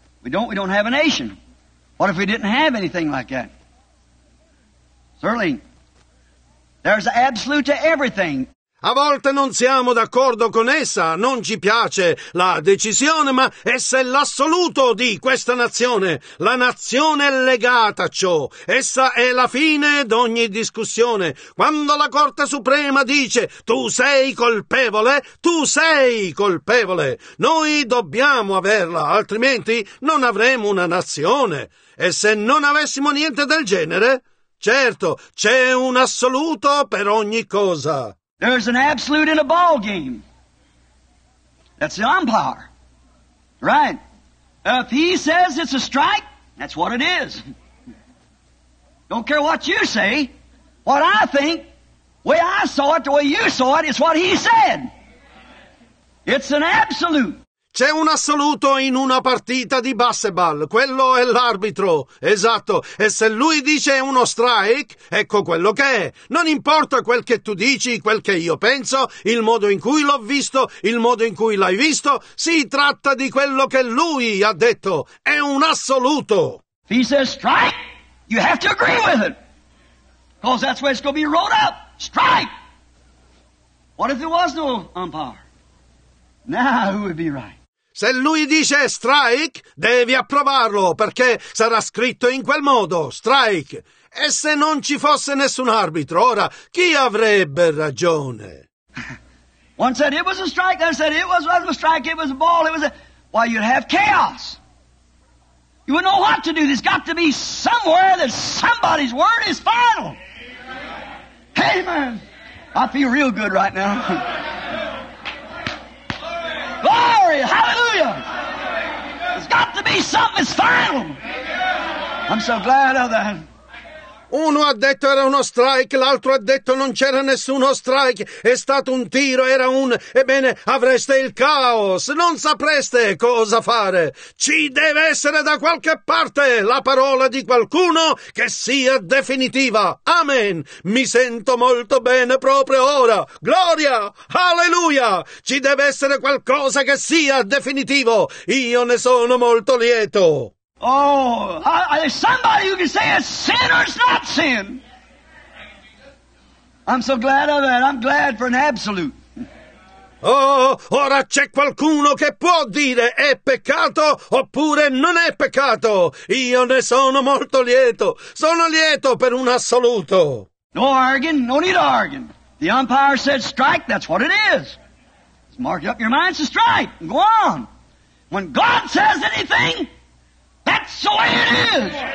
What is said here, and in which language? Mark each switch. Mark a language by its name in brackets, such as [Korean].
[English] We don't have a nation. What if we didn't have anything like that? Certainly, there's the absolute to everything. [Italian] A volte non siamo d'accordo con essa, non ci piace la decisione, ma essa è l'assoluto di questa nazione. La nazione è legata a ciò. Essa è la fine d'ogni discussione. Quando la Corte Suprema dice tu sei colpevole, tu sei colpevole. Noi dobbiamo averla, altrimenti non avremo una nazione. E se non avessimo niente del genere? Certo, c'è un assoluto per ogni cosa. [English] There's an absolute in a ball game. That's the umpire. Right? If he says it's a strike, that's what it is. Don't care what you say. What I think, the way I saw it, the way you saw it, is what he said. It's an absolute. [Italian] C'è un assoluto in una partita di basketball. Quello è l'arbitro. Esatto. E se lui dice uno strike, ecco quello che è. Non importa quel che tu dici, quel che io penso, il modo in cui l'ho visto, il modo in cui l'hai visto, si tratta di quello che lui ha detto. È un assoluto. [English] If he says strike, you have to agree with it. Because that's where it's going to be wrote up. Strike! What if there was no umpire? Now who would be right? [Italian] Se lui dice strike, devi approvarlo, perché sarà scritto in quel modo, strike. E se non ci fosse nessun arbitro, ora, chi avrebbe ragione? [English] One said it was a strike, one said it was a strike, it was a ball, it was a... Well, you'd have chaos. You wouldn't know what to do. There's got to be somewhere that somebody's word is final. Amen. I feel real good right now. Glory! Hallelujah! There's got to be something that's final! I'm so glad of that. [Italian] Uno ha detto era uno strike, l'altro ha detto non c'era nessuno strike, è stato un tiro, ebbene, avreste il caos, non sapreste cosa fare. Ci deve essere da qualche parte la parola di qualcuno che sia definitiva. Amen. Mi sento molto bene proprio ora. Gloria. Alleluia. Ci deve essere qualcosa che sia definitivo. Io ne sono molto lieto. [English] Oh, there's somebody who can say it's sin or it's not sin. I'm so glad of that. I'm glad for an absolute. [Italian] Oh, ora c'è qualcuno che può dire è peccato oppure non è peccato. Io ne sono molto lieto. Sono lieto per un assoluto. [English] No arguing, no need to argue. The umpire said strike, that's what it is. Mark up your mind, it's a strike. Go on. When God says anything, that's the way it is.